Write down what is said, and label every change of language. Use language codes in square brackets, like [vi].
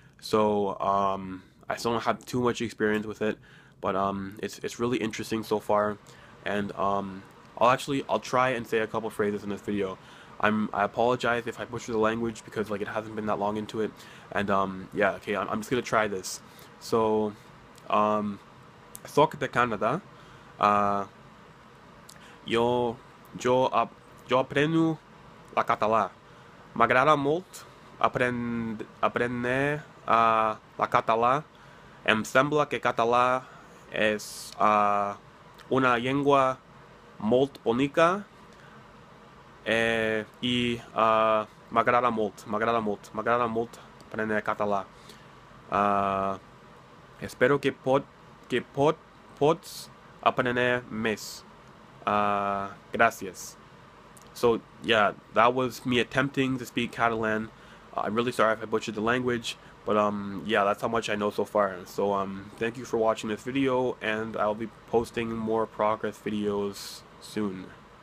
[en] So I still don't have too much experience with it, but it's really interesting so far, and I'll try and say a couple phrases in this video. I apologize if I butcher the language because it hasn't been that long into it, and I'm just gonna try this. [ca] So soc de Canada, [es] yo aprendo [ca] la català, m'agrada molt aprendre la català. Em sembla que català és una llengua molt bonica i m'agrada molt aprendre català. Espero que pots aprendre més. Gràcies. [en] So yeah, that was me attempting to speak Catalan. I'm really sorry if I butchered the language. But yeah, that's how much I know so far. So thank you for watching this video, and I'll be posting more progress videos soon.